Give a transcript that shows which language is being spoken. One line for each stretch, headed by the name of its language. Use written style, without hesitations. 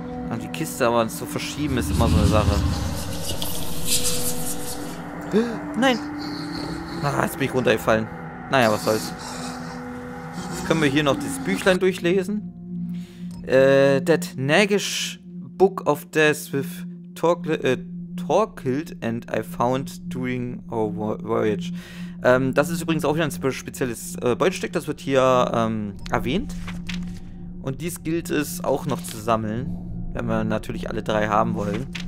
German: Und die Kiste aber zu verschieben ist immer so eine Sache. Nein! Ach, jetzt bin ich runtergefallen. Naja, was soll's. Jetzt können wir hier noch dieses Büchlein durchlesen.
English: That Nagish Book of Death with Torkild and I found during our voyage.
German: Das ist übrigens auch wieder ein spezielles Beutestück, das wird hier erwähnt. Und dies gilt es auch noch zu sammeln, wenn wir natürlich alle drei haben wollen.